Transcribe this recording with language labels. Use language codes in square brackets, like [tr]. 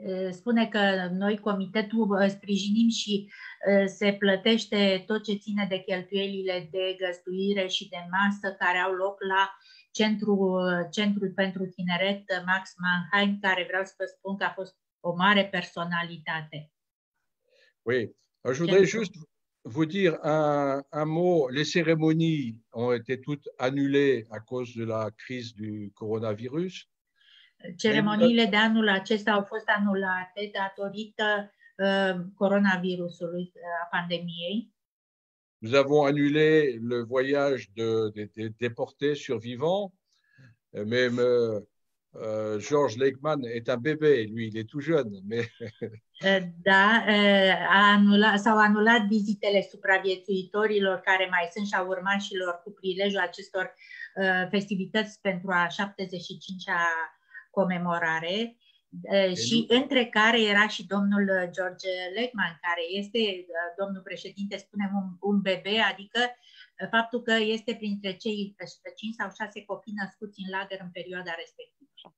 [ro] Spune că noi comitetul sprijinim și se plătește tot ce ține de cheltuielile de găstuire și de masă care au loc la centrul pentru tineret Max Mannheim, care vreau să vă spun că a fost o mare personalitate. [fr] Oui, je voudrais juste vous dire un mot. Les cérémonies ont été toutes annulées à cause de la crise du coronavirus. [ro] Ceremoniile de anul acesta au fost anulate datorită coronavirusului, a pandemiei. [fr] Nous avons annulé le voyage de déportés survivants. Même Georges Legman est un bébé, lui, il est tout jeune. Mais... [ro] da, s-au anulat vizitele supraviețuitorilor care mai sunt și au urmat și lor cu prilejul acestor festivități pentru a 75-a comemorare, și între care era și domnul George Legman, care este, domnul președinte, spunem, un bebe, adică faptul că este printre cei 5 sau 6 copii născuți în lagăr în perioada respectivă.